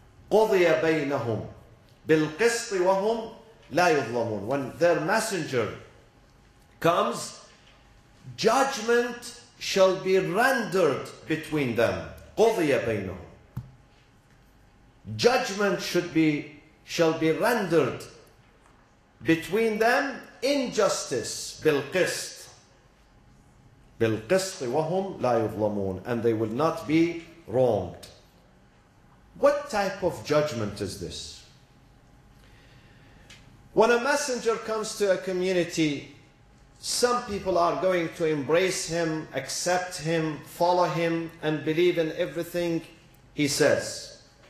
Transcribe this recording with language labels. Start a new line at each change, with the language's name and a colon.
Arabic: قضي بينهم بالقسط وهم لا يظلمون.
English: When their messenger comes, judgment shall be rendered between them.
Arabic: قضي بينهم.
English: Judgment shall be rendered between them.
Arabic: Injustice بالقسط وهم لا يظلمون.
English: And they will not be wronged. What type of judgment is this? When a messenger comes to a community, some people are going to embrace him, accept him, follow him, and believe in everything he says.